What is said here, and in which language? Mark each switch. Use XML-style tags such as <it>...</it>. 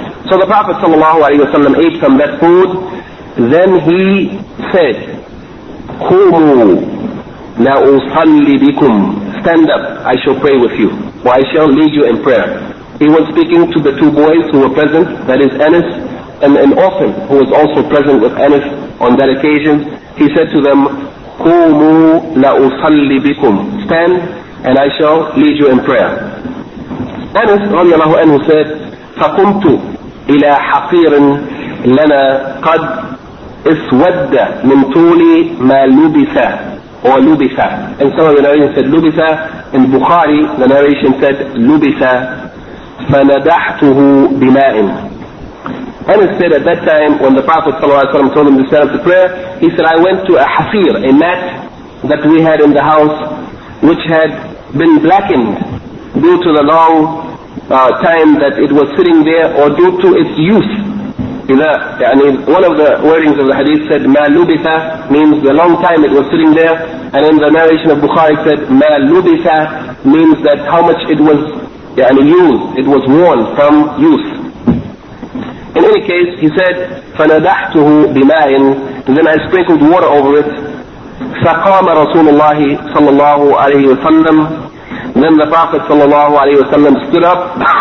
<en>So the Prophet sallallahu alayhi wa sallam ate from that food, then he said,</en> <ar>قُمُوا لَأُصَلِّ بِكُمْ,</ar> <en>stand up, I shall pray with you, or I shall lead you in prayer. He was speaking to the two boys who were present, that is Anas and an orphan who was also present with Anas on that occasion. He said to them,</en> <ar>قُمُوا لَأُصَلِّ بِكُمْ,</ar> <en>stand and I shall lead you in prayer. Anas رضي الله عنه said,</en> <ar>فَقُمْتُ إِلَى حَقِيرٍ لَنَا قَدْ اسود من طول ما لبث او لبث.</ar> <en>And some of the narration said لبث. In Bukhari the narration said</en> <ar>لبث فندحته بماء.</ar> <en>And it said at that time when the Prophet صلى الله عليه وسلم told him to stand up to prayer, he said, I went to a hafir, a mat that we had in the house which had been blackened due to the long time that it was sitting there or due to its use. يعني one of the wordings of the hadith said</en> <ar>ما لبث,</ar> <en>means the long time it was sitting there, and in the narration of Bukhari said ما لبث, means that how much it was يعني used, it was worn from use. In any case, he said</en> <ar>فندحته بماء,</ar> <en>then I sprinkled water over it.</en> <ar>فقام رسول الله صلى الله عليه وسلم,</ar> <en>then the Prophet</en> <ar>صلى الله عليه وسلم</ar> <en>stood up.</en>